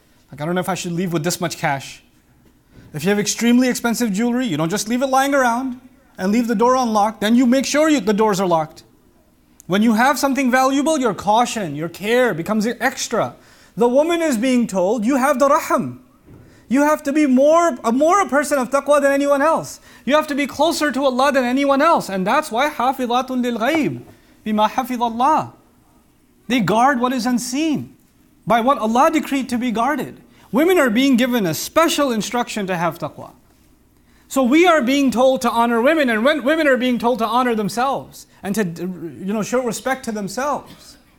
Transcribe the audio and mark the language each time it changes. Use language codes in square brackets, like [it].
[en] Like, I don't know if I should leave with this much cash. If you have extremely expensive jewelry, you don't just leave it lying around and leave the door unlocked. Then you make sure the doors are locked. When you have something valuable, your caution, your care becomes extra. The woman is being told, you have the rahm. You have to be more a person of taqwa than anyone else. You have to be closer to Allah than anyone else. And that's why [ar] حَافِظَاتٌ لِلْغَيْبِ بِمَا حَفِظَ اللَّهِ. [en] They guard what is unseen by what Allah decreed to be guarded. Women are being given a special instruction to have taqwa. So we are being told to honor women, and women are being told to honor themselves and to, you know, show respect to themselves.